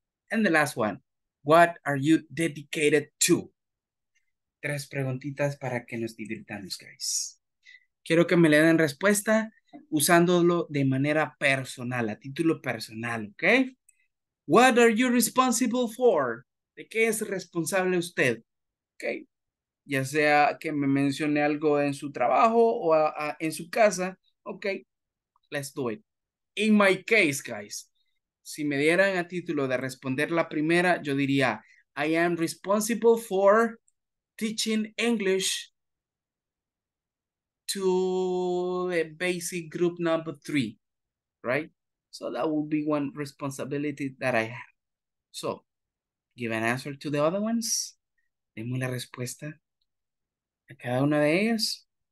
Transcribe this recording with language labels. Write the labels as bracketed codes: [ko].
[en] And the last one, what are you dedicated to? [es] Tres preguntitas para que nos divirtamos, guys. Quiero que me le den respuesta usándolo de manera personal, a título personal, okay? [en] What are you responsible for? [es] ¿De qué es responsable usted? [en] Okay. [es] Ya sea que me mencione algo en su trabajo o en su casa. [en] Okay. Let's do it. In my case, guys. [es] Si me dieran a título de responder la primera, yo diría, [en] I am responsible for teaching English to the basic group number 3. Right? So that would be one responsibility that I have. So, give an answer to the other ones. [es] Demos la respuesta a cada una de ellas.